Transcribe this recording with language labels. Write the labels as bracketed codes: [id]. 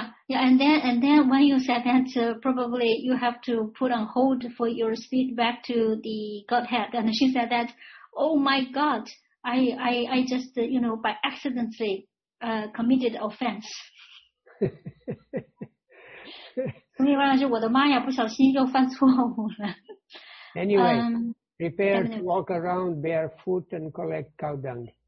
[en] And then when you said that, probably you have to put on hold for your speed back to the Godhead. And she said that, oh my God, I just, you know, by accidentally, committed offense. [zh] 所以完了就我的妈呀，不小心又犯错误了。 [en] Anyway, prepare to walk around barefoot and collect cow dung.